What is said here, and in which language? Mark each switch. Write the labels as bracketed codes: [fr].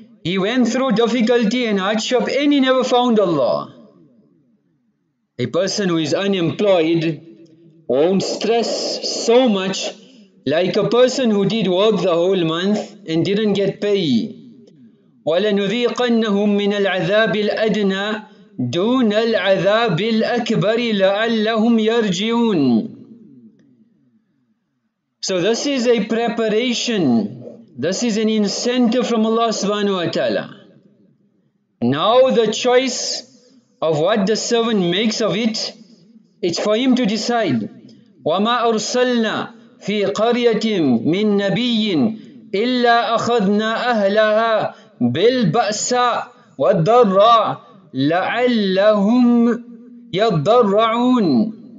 [en] He went through difficulty and hardship and he never found Allah. A person who is unemployed won't stress so much like a person who did work the whole month and didn't get pay. [ar] وَلَنُذِيقَنَّهُمْ مِنَ الْعَذَابِ الْأَدْنَى دون العذاب الأكبر لعلهم يرجعون. [en] So this is a preparation. This is an incentive from Allah subhanahu wa ta'ala. Now the choice of what the servant makes of it, it's for him to decide. [ar] وَمَا أَرْسَلْنَا فِي قَرْيَةٍ مِّن نَبِيٍّ إِلَّا أَخَذْنَا أَهْلَهَا بِالْبَأْسَاءِ وَالضَّرَّاءِ لَعَلَّهُمْ يَضَّرَّعُونَ.